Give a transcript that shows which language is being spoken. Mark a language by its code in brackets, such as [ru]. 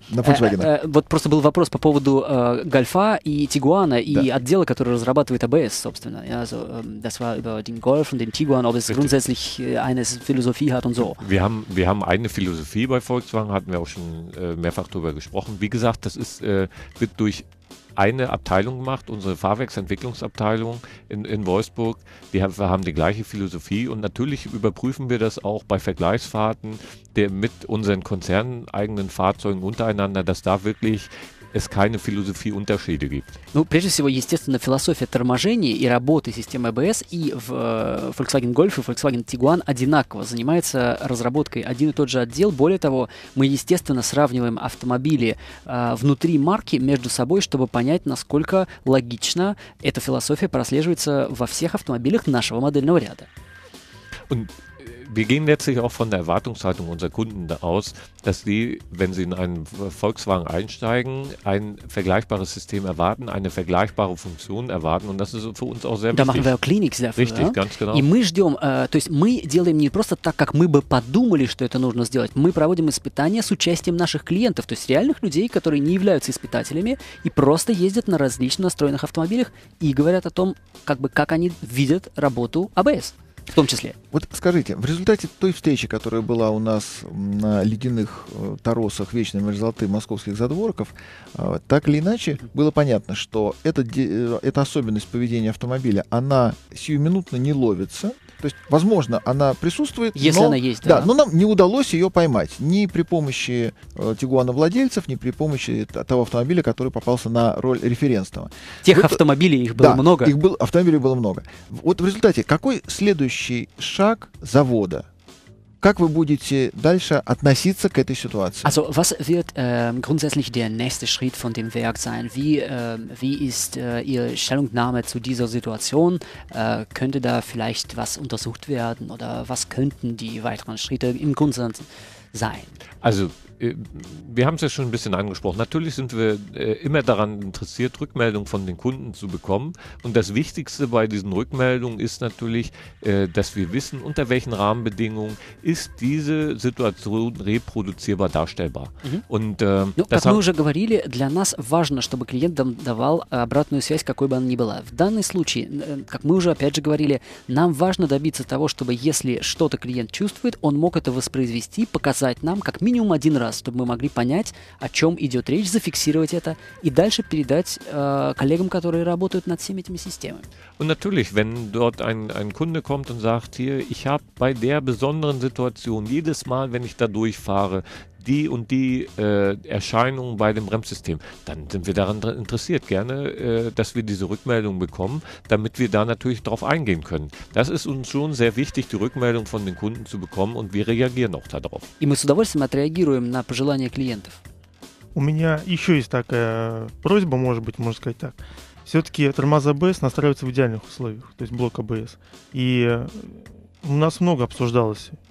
[ru] На Volkswagen. Вот просто был вопрос по поводу Гольфа и Тигуана и отдела, который разрабатывает АБС, собственно. [de] Also, das war über den Golf und den Tiguan, ob es grundsätzlich eine Philosophie hat und so. Wir haben eine Philosophie bei Volkswagen, hatten wir auch schon mehrfach drüber gesprochen. Wie gesagt, das ist, wird durch eine Abteilung gemacht, unsere Fahrwerksentwicklungsabteilung in Wolfsburg. Wir haben die gleiche Philosophie und natürlich überprüfen wir das auch bei Vergleichsfahrten mit unseren konzerneigenen Fahrzeugen untereinander, dass da wirklich es keine Philosophieunterschiede gibt. [ru] Ну, прежде всего, естественно, философия торможения и работы системы ABS и в Volkswagen Golf и Volkswagen Tiguan одинаково занимается разработкой один и тот же отдел. Более того, мы, естественно, сравниваем автомобили внутри марки между собой, чтобы понять, насколько логично эта философия прослеживается во всех автомобилях нашего модельного ряда. [de] Wir gehen letztlich auch von der Erwartungshaltung unserer Kunden aus, dass sie, wenn sie in einen Volkswagen einsteigen, ein vergleichbares System erwarten, eine vergleichbare Funktion erwarten. Und das ist für uns auch sehr wichtig. Da machen wir auch Kliniks dafür. Richtig, ja? Ganz genau. [ru] И мы ждем, то есть мы делаем не просто так, как мы бы подумали, что это нужно сделать. Мы проводим испытания с участием наших клиентов, то есть реальных людей, которые не являются испытателями и просто ездят на различно настроенных автомобилях и говорят о том, как бы, как они видят работу ABS. В том числе. Вот скажите, в результате той встречи, которая была у нас на ледяных торосах вечной мерзлоты московских задворков, так или иначе, было понятно, что эта особенность поведения автомобиля, она сиюминутно не ловится. То есть, возможно, она присутствует. Если но, она есть, да. Да, но нам не удалось ее поймать. Ни при помощи Тигуана владельцев, ни при помощи того автомобиля, который попался на роль референсного. Тех автомобилей, их было, да, много. Их был, автомобилей было много. Вот в результате, какой следующий шаг завода? Как вы будете дальше относиться к этой ситуации? [de] Also, was wird grundsätzlich der nächste Schritt von dem Werk sein? Wie ist Ihre Stellungnahme zu dieser Situation? Könnte da vielleicht was untersucht werden? Oder was könnten die weiteren Schritte im Grundsatz sein? Also, wir haben es ja schon ein bisschen angesprochen. Natürlich sind wir immer daran interessiert, Rückmeldungen von den Kunden zu bekommen. Und das Wichtigste bei diesen Rückmeldungen ist natürlich, dass wir wissen, unter welchen Rahmenbedingungen ist diese Situation reproduzierbar, darstellbar. Mhm. Und das [ru] как мы уже говорили, для нас важно, чтобы клиент давал обратную связь, какой бы она ни была. В данный случай, как мы уже опять же говорили, нам важно добиться того, чтобы если что-то клиент чувствует, он мог это воспроизвести, показать нам как минимум один раз, чтобы мы могли понять, о чем идет речь, зафиксировать это и дальше передать коллегам, которые работают над всеми этими системами. [de] Und natürlich, wenn dort ein Kunde kommt und sagt, hier, ich habe bei der besonderen Situation jedes Mal, wenn ich da durchfahre, die und die Erscheinungen bei dem Bremssystem, dann sind wir daran interessiert, gerne, dass wir diese Rückmeldung bekommen, damit wir da natürlich drauf eingehen können. Das ist uns schon sehr wichtig, die Rückmeldung von den Kunden zu bekommen und wir reagieren auch darauf. [ru] И мы с удовольствием отреагируем на пожелания клиентов. У меня еще есть такая просьба, может быть, можно сказать так. Все-таки тормоза ABS настраиваются в идеальных условиях, то есть блок ABS. И у нас много обсуждалось.